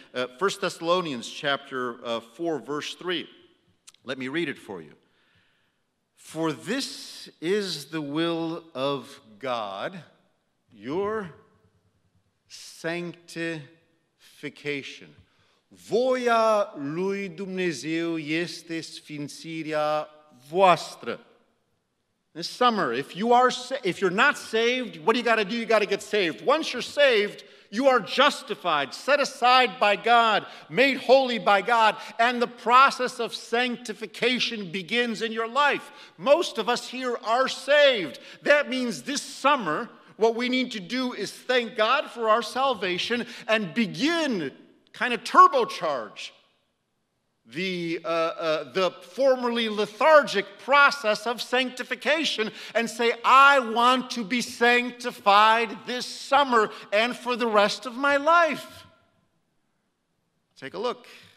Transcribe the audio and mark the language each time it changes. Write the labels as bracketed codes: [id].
[en] 1 Thessalonians chapter 4, verse 3. Let me read it for you. For this is the will of God, your sanctification. [ro] Voia lui Dumnezeu este sfințirea voastră. [en] This summer, if you're not saved, what do you got to do? You got to get saved. Once you're saved, you are justified, set aside by God, made holy by God, and the process of sanctification begins in your life. Most of us here are saved. That means this summer, what we need to do is thank God for our salvation and begin, kind of turbocharge, the formerly lethargic process of sanctification and say, I want to be sanctified this summer and for the rest of my life. Take a look.